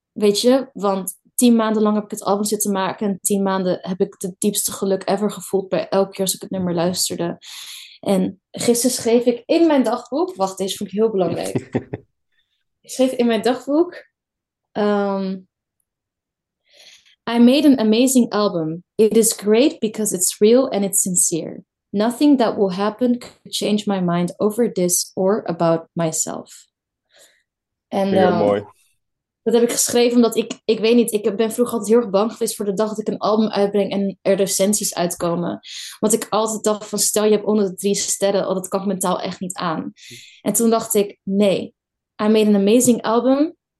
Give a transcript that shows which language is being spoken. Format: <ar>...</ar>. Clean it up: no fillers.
<nl>Weet je, want 10 maanden lang heb ik het album zitten maken en 10 maanden heb ik het diepste geluk ever gevoeld bij elke keer als ik het nummer luisterde. En gisteren schreef ik in mijn dagboek, wacht, deze vond ik heel belangrijk. Ik schreef in mijn dagboek,</nl> <en>I made an amazing album. It is great because it's real and it's sincere. Nothing that will happen could change my mind over this or about myself.</en> <nl>En Heel mooi. dat heb ik geschreven omdat ik weet niet, ik ben vroeger altijd heel erg bang geweest voor de dag dat ik een album uitbreng en er recensies uitkomen. Want ik altijd dacht van, stel je hebt onder de 3 sterren, oh, dat kan ik mentaal echt niet aan. En toen dacht ik, nee,</nl> <en>I made an amazing album.</en>